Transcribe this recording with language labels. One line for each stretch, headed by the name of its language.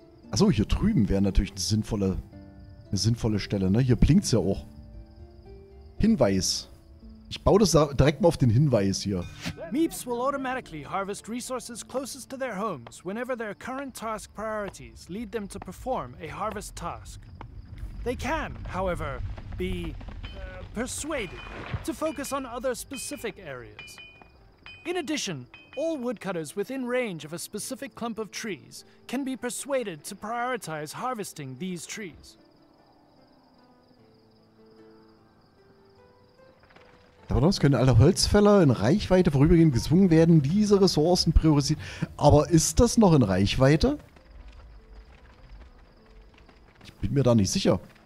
German: Achso, hier drüben wäre natürlich eine sinnvolle Stelle, ne? Hier blinkt es ja auch. Hinweis. Ich baue das direkt mal auf den Hinweis hier.
English: Meeps will automatically harvest resources closest to their homes, whenever their current task priorities lead them to perform a harvest task. They can, however, be persuaded to focus on other specific areas. In addition, all woodcutters within range of a specific clump of trees can be persuaded to prioritize harvesting these trees.
German: Daraus können alle Holzfäller in Reichweite vorübergehend gezwungen werden, diese Ressourcen priorisieren. Aber ist das noch in Reichweite? Ich bin mir da nicht sicher.